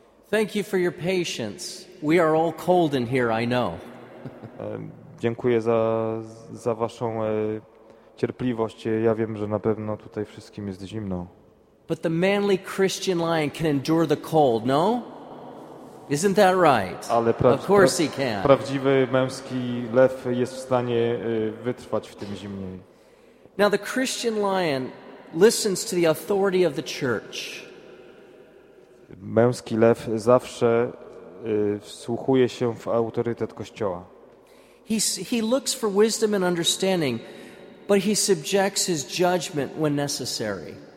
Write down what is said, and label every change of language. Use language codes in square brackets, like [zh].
[en] Thank you for your patience. We are all cold in here, I know. [pl] Dziękuję za waszą cierpliwość. Ja wiem, że na pewno tutaj wszystkim jest zimno. [en] But the manly Christian lion can endure the cold, no? Isn't that right? [pl] Ale [en] of course he can. [pl] Prawdziwy męski lew jest w stanie wytrwać w tym zimnie. [en] Now the Christian lion listens to the authority of the church. [pl] Męski lew zawsze wsłuchuje się w autorytet Kościoła. [en] He looks for wisdom and understanding, but he subjects his judgment when necessary.